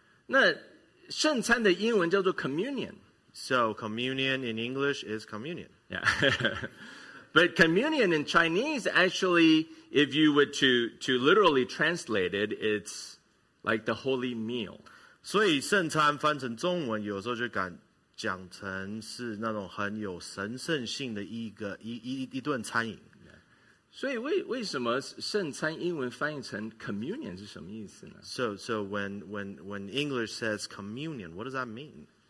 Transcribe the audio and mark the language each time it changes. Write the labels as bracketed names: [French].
[English] Yeah. So communion in English is communion. Yeah. But communion in Chinese, actually, if you were to literally translate it, it's like the holy meal. [Chinese] 所以圣餐翻成中文有时候就感 讲成是那种很有神圣性的一顿餐饮。所以为什么圣餐英文翻译成communion是什么意思呢? [English] So when English says communion, what does that mean?